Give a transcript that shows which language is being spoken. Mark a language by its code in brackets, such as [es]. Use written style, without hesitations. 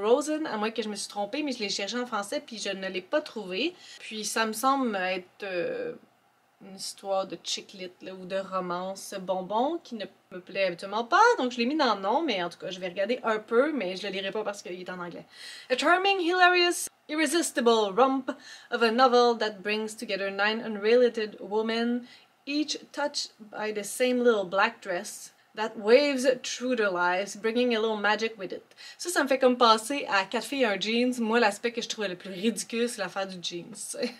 [fr] Rosen, à moins que je me suis trompée, mais je l'ai cherché en français puis je ne l'ai pas trouvé. Puis ça me semble être une histoire de chick lit ou de romance bonbon qui ne me plaît habituellement pas, donc je l'ai mis dans le nom, mais en tout cas, je vais regarder un peu, mais je le lirai pas parce qu'il est en anglais. [en] A charming, hilarious, irresistible romp of a novel that brings together nine unrelated women, each touched by the same little black dress that waves through their lives, bringing a little magic with it. [fr] Ça, ça me fait comme passer à quatre filles et un jeans. Moi, l'aspect que je trouvais le plus ridicule, c'est l'affaire du jeans.